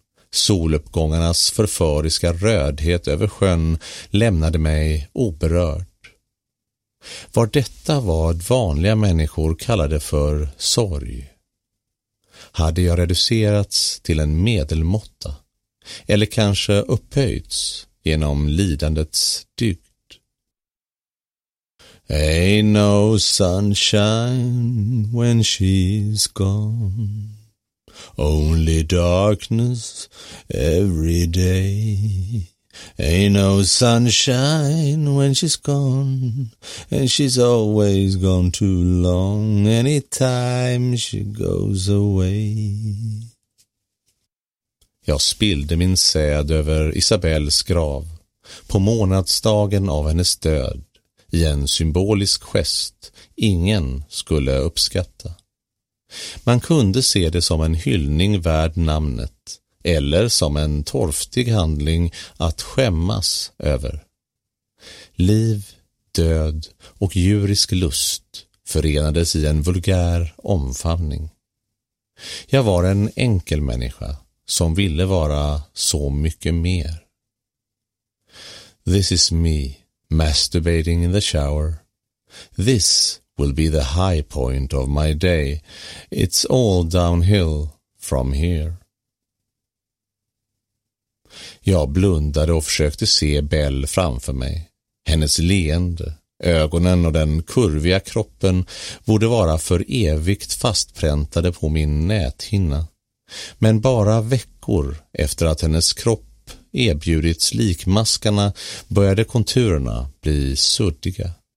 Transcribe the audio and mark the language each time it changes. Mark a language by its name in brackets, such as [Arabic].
[Swedish] Soluppgångarnas förföriska rödhet över sjön lämnade mig oberörd. Var detta vad vanliga människor kallade för sorg? Hade jag reducerats till en medelmåtta? Eller kanske upphöjts genom lidandets dygd? [English] Ain't no sunshine when she's gone, only darkness every day. Ain't no sunshine when she's gone, and she's always gone too long, anytime she goes away. [Swedish] Jag spillde min säd över Isabels grav på månadsdagen av hennes död. I en symbolisk gest ingen skulle uppskatta. Man kunde se det som en hyllning värd namnet eller som en torftig handling att skämmas över. Liv, död och djurisk lust förenades i en vulgär omfamning. Jag var en enkel människa som ville vara så mycket mer. [English] This is me. Masturbating in the shower. This will be the high point of my day. It's all downhill from here. [Swedish] Jag blundade och försökte se Belle framför mig. Hennes leende, ögonen och den kurviga kroppen borde vara för evigt fastpräntade på min näthinna. Men bara veckor efter att hennes kropp erbjudits likmaskarna började konturerna bli suddiga.